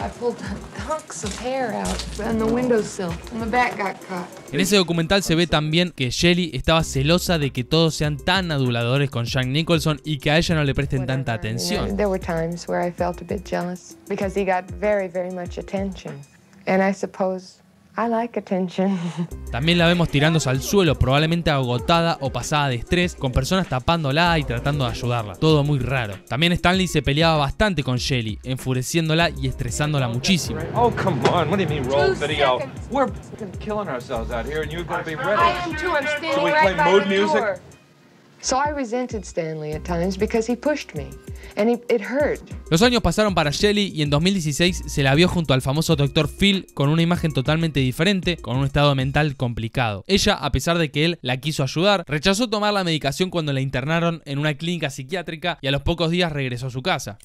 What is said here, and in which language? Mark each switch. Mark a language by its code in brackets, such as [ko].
[en] I pulled chunks of hair out on the windowsill. And the back got cut. [es] En ese documental se ve también que Shelley estaba celosa de que todos sean tan aduladores con Jack Nicholson y que a ella no le presten tanta atención. [en] There were times where I felt a bit jealous because he got very, very much attention. And I suppose I like attention. [es] También la vemos tirándose al suelo, probablemente agotada o pasada de estrés, con personas tapándola y tratando de ayudarla. Todo muy raro. También Stanley se peleaba bastante con Shelley, enfureciéndola y estresándola muchísimo. [en] Oh, come on. What do you mean roll video? We're killing ourselves out here and you're going to be ready. I am too. I'm standing right by the door. Can we play mood music? So I resented Stanley at times because he pushed me. And it hurt. [es] Los años pasaron para Shelley y en 2016 se la vio junto al famoso Dr. Phil con una imagen totalmente diferente, con un estado mental complicado. Ella, a pesar de que él la quiso ayudar, rechazó tomar la medicación cuando la internaron en una clínica psiquiátrica y a los pocos días regresó a su casa.